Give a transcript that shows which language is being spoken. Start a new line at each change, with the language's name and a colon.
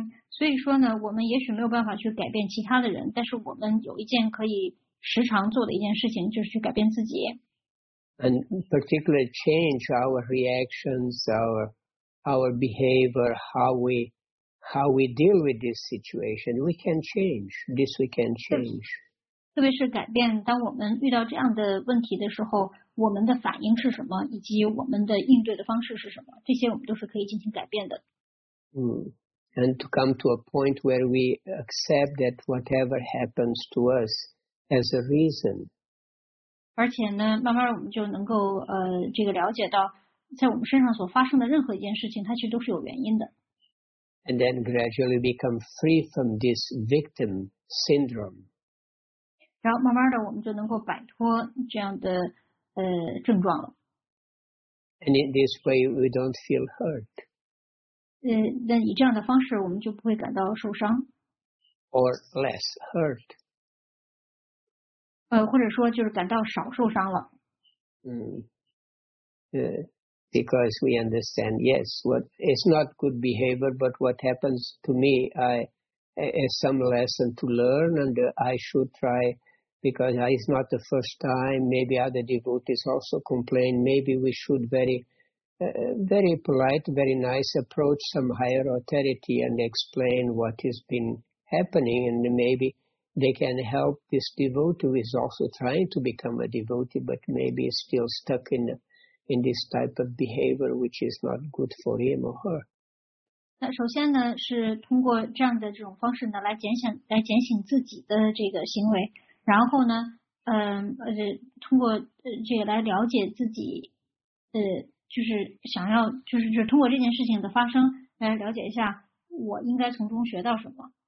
Chinese: 所以说呢，我们也许没有办法去改变其他的人，但是我们有一件可以时常做的一件事情，就是去改变自己。
English: And particularly change our reactions, our behavior, how we deal with this situation. We can change. This we can change.
Chinese: 特别是改变，当我们遇到这样的问题的时候，我们的反应是什么，以及我们的应对的方式是什么，这些我们都是可以进行改变的。
English: And to come to a point where we accept that whatever happens to us has a reason.
Chinese: 而且呢，慢慢我们就能够这个了解到，在我们身上所发生的任何一件事情，它其实都是有原因的。
English: And then gradually become free from this victim syndrome.
Chinese: 然后慢慢的我们就能够摆脱这样的症状了。
English: And in this way we don't feel hurt.
Chinese: 那以这样的方式我们就不会感到受伤。
English: Or less hurt.
Chinese: 或者说就是感到少受伤了。
English: Because we understand, yes, what it's not good behavior, but what happens to me, is some lesson to learn, and I should try, because it's not the first time. Maybe other devotees also complain. Maybe we should very polite, very nice approach some higher authority and explain what has been happening, and maybe they can help this devotee who is also trying to become a devotee, but maybe is still stuck in this type of behavior, which is not good for him or her.
Chinese: 那首先呢，是通过这样的这种方式呢，来警醒自己的这个行为。然后呢，通过这个来了解自己，就是想要，就是通过这件事情的发生来了解一下我应该从中学到什么。